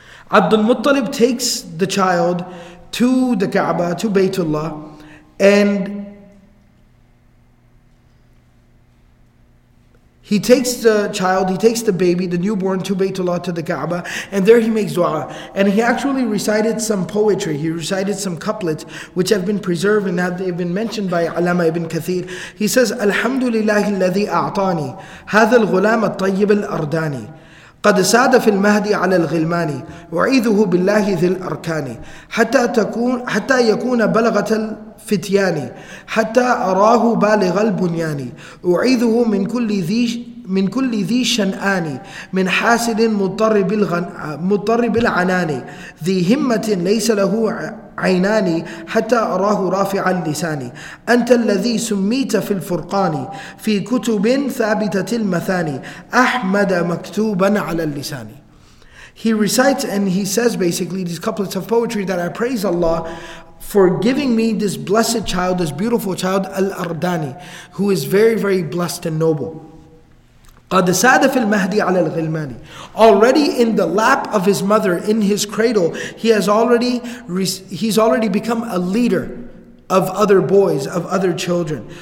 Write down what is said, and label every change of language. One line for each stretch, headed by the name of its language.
English: Abdul Muttalib takes the child to the Kaaba, to Baytullah, and he takes the child, he takes the baby, the newborn, to Baytullah, to the Kaaba, and there he makes dua. And he actually recited some poetry, he recited some couplets, which have been preserved and have been mentioned by Allama ibn Kathir. He says,
Arabic: Alhamdulillahi alladhi a'tani, hadha al-ghulam al-tayyib al-ardani, qad sada fil mahdi ala al-ghilmani, wa'iduhu billahi dhil arkani, hatta yakuna balagat al فتياني حتى أراه بالغ البنيان أعيذه من كل ذي شنآني من حاسد مضطر بالعنان ذي همة ليس له عيناني حتى أراه رافع اللساني أنت الذي سميت في الفرقان في كتب ثابتة المثاني أحمد مكتوبا على اللسان.
English: He recites and he says basically these couplets of poetry that I praise Allah for giving me this blessed child, this beautiful child, Al-Ardani, who is very, very blessed and noble.
Arabic: قَدْ سَادَ فِي الْمَهْدِ عَلَى الْغِلْمَانِ.
English: Already in the lap of his mother, in his cradle, he's already become a leader of other boys, of other children.